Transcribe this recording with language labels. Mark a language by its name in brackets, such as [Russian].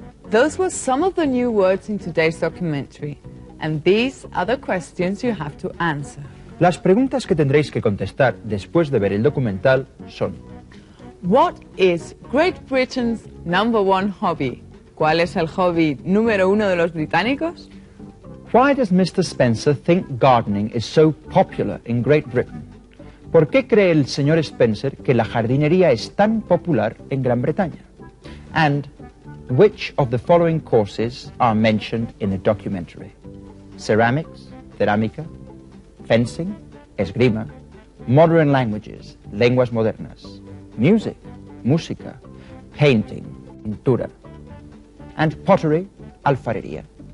[English] Those were some of the new words in today's documentary. And these are the questions you have to answer. [Spanish] Las preguntas que tendréis que contestar después de ver el documental son... [English] What is Great Britain's number one hobby? [Spanish] ¿Cuál es el hobby número uno de los británicos? [English] Why does Mr. Spencer think gardening is so popular in Great Britain? [Spanish] ¿Por qué cree el señor Spencer que la jardinería es tan popular en Gran Bretaña? [English] And which of the following courses are mentioned in the documentary? Ceramics, [Spanish] cerámica... [English] Fencing, [Spanish] esgrima, [English] modern languages, [Spanish] lenguas modernas, [English] music, [Spanish] música, [English] painting, [Spanish] pintura, [English] and pottery, [Spanish] alfarería.